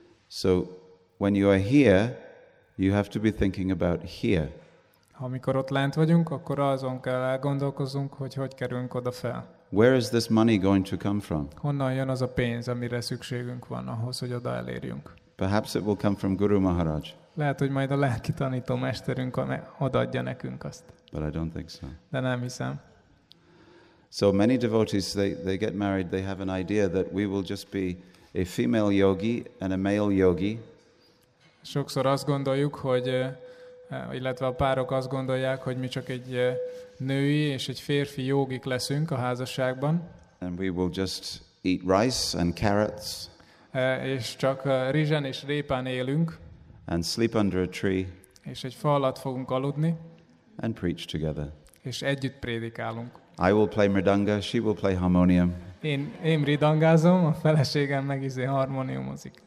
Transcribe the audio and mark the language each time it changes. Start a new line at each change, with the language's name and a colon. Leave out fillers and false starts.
English: So when you are here, you have to be thinking about here.
Hungarian: Amikor ott lent vagyunk, akkor azon kell elgondolkozunk, hogy kerülünk oda fel.
English: Where is this money going to come from?
Hungarian: Honnan jön az a pénz, amire szükségünk van ahhoz, hogy oda elérjünk?
English: Perhaps it will come from Guru Maharaj.
Hungarian: Lehet, hogy majd a lelki tanító mesterünk odaadja nekünk azt.
English: But I don't think so.
Hungarian: De nem hiszem.
English: So many devotees, they get married, they have an idea that we will just be a female yogi and a male yogi.
Hungarian: Sokszor azt gondoljuk, hogy illetve a párok azt gondolják, hogy mi csak egy női és egy férfi jógik leszünk a házasságban.
English: And we will just eat rice and carrots.
Hungarian: És csak rizsen és répán élünk.
English: And sleep under a tree.
Hungarian: És egy fa alatt fogunk aludni.
English: And preach together.
Hungarian: És együtt prédikálunk.
English: I will play mridanga, she will play harmonium.
Hungarian: Én mridangázom, a feleségem meg izé harmoniumozik.